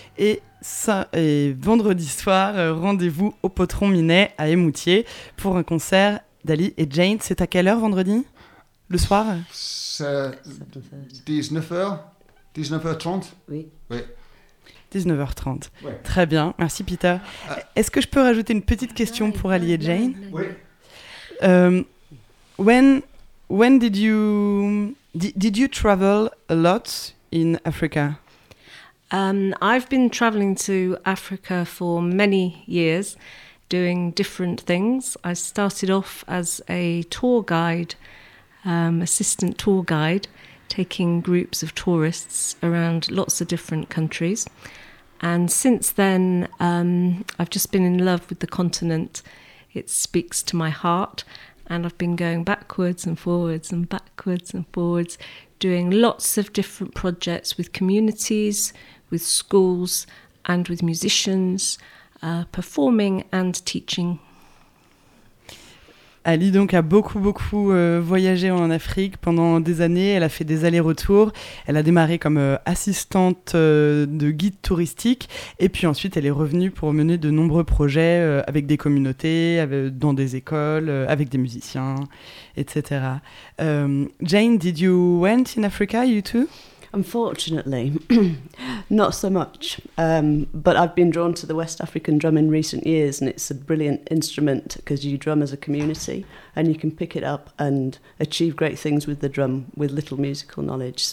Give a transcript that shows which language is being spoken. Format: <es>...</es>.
<fr>Et vendredi soir, rendez-vous au Potron Minet à Emoutier pour un concert d'Ali et Jane. C'est à quelle heure vendredi, le soir? C'est 19h30. Oui. Oui. 19h30. Ouais. Très bien, merci Peter. Est-ce que je peux rajouter une petite question pour Ali et Jane? Oui.</fr> <en>When did you travel a lot in Africa? I've been traveling to Africa for many years, doing different things. I started off as a tour guide, assistant tour guide, taking groups of tourists around lots of different countries. And since then, I've just been in love with the continent. It speaks to my heart. And I've been going backwards and forwards and backwards and forwards, doing lots of different projects with communities, with schools, and with musicians, performing and teaching.</en> <fr>Ali donc a beaucoup, beaucoup voyagé en Afrique pendant des années. Elle a fait des allers-retours. Elle a démarré comme assistante de guide touristique. Et puis ensuite, elle est revenue pour mener de nombreux projets avec des communautés, dans des écoles, avec des musiciens, etc.</fr> <en>Jane, did you went in Africa, you too? Unfortunately, not so much. But I've been drawn to the West African drum in recent years, and it's a brilliant instrument because you drum as a community and you can pick it up and achieve great things with the drum with little musical knowledge.</en>